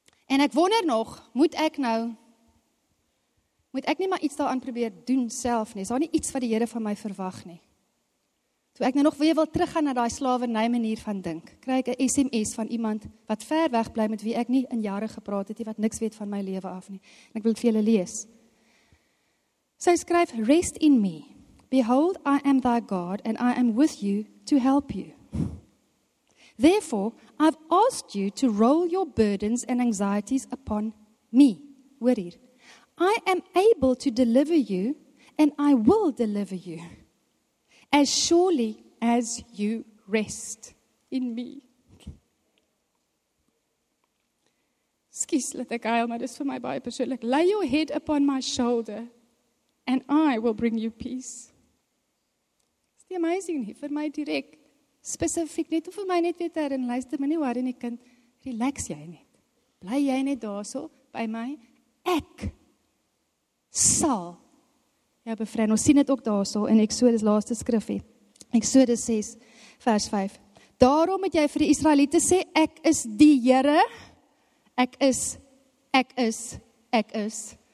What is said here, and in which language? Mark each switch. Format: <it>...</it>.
<af>en ek wonder nog, moet ek nie maar iets daaraan probeer doen self nie, is daar nie iets wat die Here van my verwag nie, toe ek nou nog weer wil teruggaan na die slavernij manier van dink, kry ek 'n SMS van iemand wat ver weg bly met wie ek nie in jare gepraat het, die wat niks weet van my lewe af nie. En ek wil het vir julle lees. Sy skryf,</af> <en>rest in me. Behold, I am thy God and I am with you to help you. Therefore, I've asked you to roll your burdens and anxieties upon me.</en> <af>Hoor hier.</af> <en>I am able to deliver you and I will deliver you. As surely as you rest in me.</en> <af>Skies, let ek huil, maar dis vir my baie persoonlik.</af> <en>Lay your head upon my shoulder, and I will bring you peace.</en> <af>Is die amazing nie, vir my direct, specifiek, net of vir my net weet daarin, luister my nie waar in die kind, relax jy net, bly jy net daar so, by my, ek sal, ja, bevry, ons sien het ook daar so, in Exodus laaste skrifie, Exodus 6, vers 5, daarom moet jy vir die Israeliete sê, ek is die Here, ek is,</af>